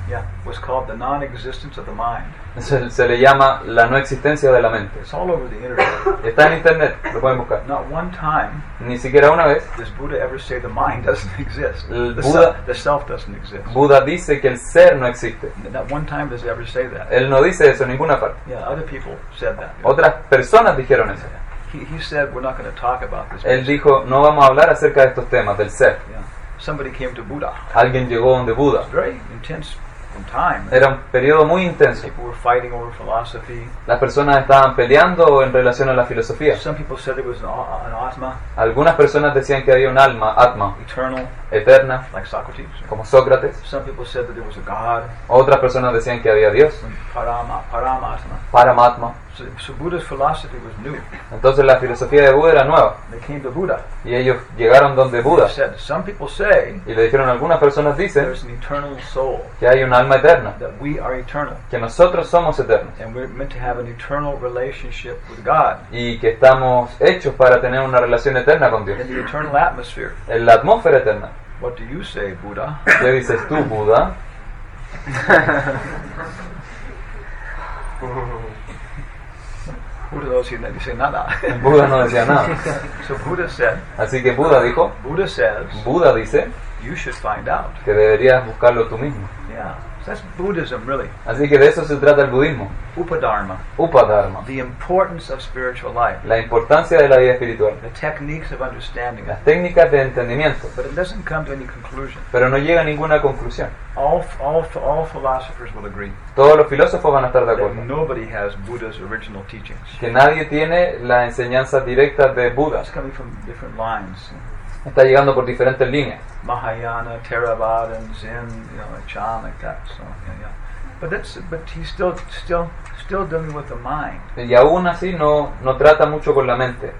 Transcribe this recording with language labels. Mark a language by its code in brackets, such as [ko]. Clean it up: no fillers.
[en] Yeah, was called the non-existence of the mind. [es] Se le llama la no existencia de la mente. [en] It's all over the internet. [es] Está en internet, lo pueden buscar. [en] Not one time. [es] Ni siquiera una vez. [en] Does Buddha ever say the mind doesn't exist? The self doesn't exist. [es] Buda dice que el ser no existe. [en] Not one time does he ever say that. [es] Él no dice eso en ninguna parte. [en] Yeah, other people said that. [es] Otras personas dijeron eso. [en] He said we're not going to talk about this. [es] Él dijo no vamos a hablar acerca de estos temas del ser. [en] Yeah. Somebody came to Buddha. [es] Alguien llegó donde Buda. [en] Very intense time. [es] Era un periodo muy intenso. [en] People were fighting over philosophy. [es] Las personas estaban peleando en relación a la filosofía. [en] Some people said it was an atma. [es] Algunas personas decían que había un alma, atma, [en] eternal, [es] eterna, [en] like Socrates, [es] como Sócrates. [en] Some people said that there was a God. [es] Otras personas decían que había Dios. [en] Paramatma. So Buddha's philosophy was new. [es] Entonces la filosofía de Buda era nueva. [en] They came to Buddha. [es] Y ellos llegaron donde Buda. [en] Said, some people say, [es] y le dijeron, algunas personas dicen, [en] there's an eternal soul, [es] que hay un alma eterna, [en] that we are eternal, [es] que nosotros somos eternos, [en] and we're meant to have an eternal relationship with God, [es] y que estamos hechos para tener una relación eterna con Dios, [en] in the eternal atmosphere, [es] en la atmósfera eterna. [en] What do you say, Buddha? [es] ¿Qué dices tú, Buda? [en] Oh. [es] Buda no decía nada. [en] So Buddha said, [es] así que Buda dijo, [en] Buddha says, [es] Buda dice, [en] you should find out. [es] Que deberías buscarlo tú mismo. [en] Yeah. So that's Buddhism, really. [es] Así que de eso se trata el budismo. [en] Upadharma. [es] Upadharma. [en] The importance of spiritual life. [es] La importancia de la vida espiritual. [en] The techniques of understanding. [es] Las técnicas de entendimiento. [en] But it doesn't come to any conclusion. [es] Pero no llega a ninguna conclusión. [en] All philosophers will agree. [es] Todos los filósofos van a estar de acuerdo. [en] That nobody has Buddha's original teachings. [es] Que nadie tiene la enseñanza directa de Buda. [en] It's coming from different lines. [es] Está llegando por diferentes líneas. [en] Mahayana, Theravada, and Zen, you know, Chan, like that. So, yeah. But he's still dealing with the mind. [es] Y aún así no trata mucho con la mente.